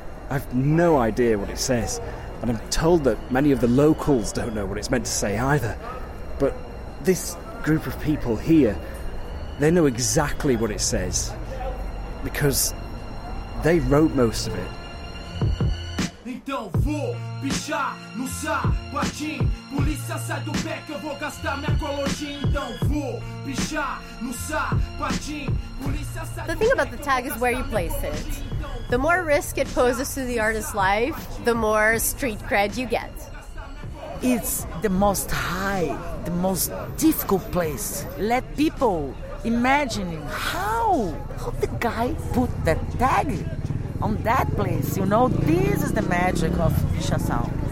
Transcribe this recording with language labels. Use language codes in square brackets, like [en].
[en] I've no idea what it says, and I'm told that many of the locals don't know what it's meant to say either. But this group of people here, they know exactly what it says, because they wrote most of it. [pt] Então vou pichar no sapatim. Polícia sai do pé que eu vou gastar minha colotinha. Então vou pichar no sapatim. [en] The thing about the tag is where you place it. The more risk it poses to the artist's life, the more street cred you get. It's the most high, the most difficult place. Let people imagine how the guy put that tag on that place. You know, this is the magic of pichação.